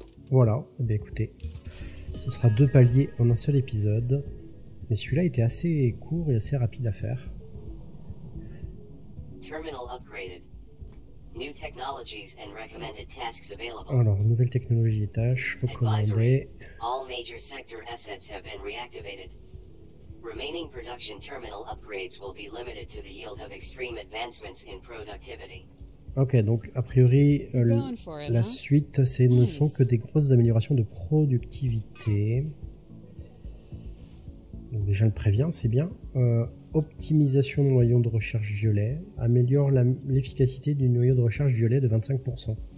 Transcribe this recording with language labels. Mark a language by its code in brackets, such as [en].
[fr] Voilà, eh bien écoutez, ce sera deux paliers en un seul épisode. Mais celui-là était assez court et assez rapide à faire. [en] Terminal upgraded. New technologies and recommended tasks available. [fr] Alors, nouvelle technologie et tâches recommandées. [en] All major sector assets have been reactivated. Remaining production terminal upgrades will be limited to the yield of extreme advancements in productivity. [fr] Ok, donc a priori, la suite, ce ne sont que des grosses améliorations de productivité. Donc déjà, le prévient, c'est bien. Optimisation du noyau de recherche violet. Améliore l'efficacité du noyau de recherche violet de 25%.